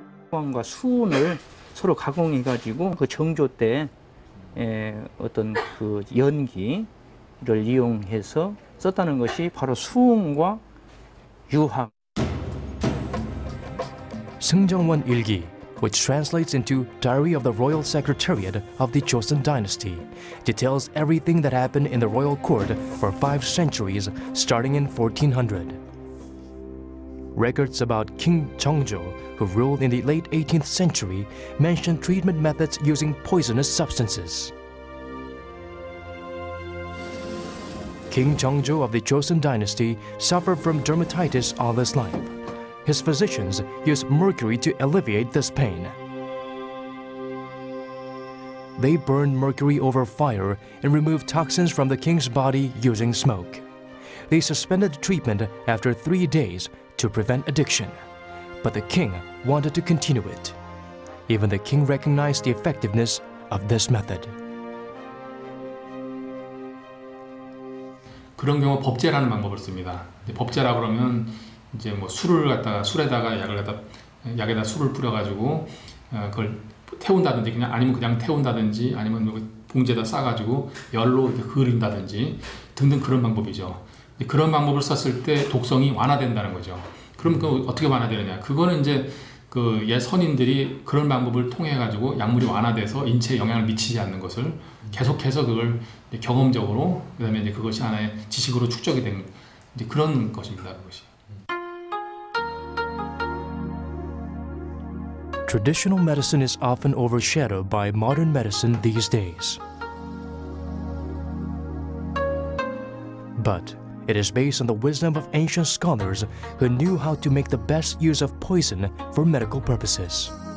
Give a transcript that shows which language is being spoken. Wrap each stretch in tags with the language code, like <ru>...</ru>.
<ko>수원과 수은을 서로 가공해가지고 그 정조 때 어떤 그 연기를 이용해서 썼다는 것이 바로 수은과 유황. 승정원 일기,</ko> <en>which translates into Diary of the Royal Secretariat of the Joseon Dynasty, details everything that happened in the royal court for five centuries, starting in 1400. Records about King Jeongjo, who ruled in the late 18th century, mention treatment methods using poisonous substances. King Jeongjo of the Joseon Dynasty suffered from dermatitis all his life. His physicians used mercury to alleviate this pain. They burned mercury over fire and removed toxins from the king's body using smoke. They suspended treatment after 3 days to prevent addiction, but the king wanted to continue it. Even the king recognized the effectiveness of this method.</en> <ko>그런 경우 법제라는 방법을 씁니다. 법제라 그러면 이제 뭐 술을 갖다가 술에다가 약을 갖다 약에다 술을 뿌려가지고 그걸 태운다든지 그냥 아니면 그냥 태운다든지 아니면 봉지에다 싸가지고 열로 이렇게 흐른다든지 등등 그런 방법이죠. 그런 방법을 썼을 때 독성이 완화된다는 거죠. 그럼 그 어떻게 완화되느냐? 그거는 이제 그 옛 선인들이 그런 방법을 통해 가지고 약물이 완화돼서 인체에 영향을 미치지 않는 것을 계속해서 그걸 경험적으로 그다음에 이제 그것이 하나의 지식으로 축적이 된 이제 그런 것입니다. 그것이.</ko> <en>Traditional medicine is often overshadowed by modern medicine these days. But it is based on the wisdom of ancient scholars who knew how to make the best use of poison for medical purposes.</en>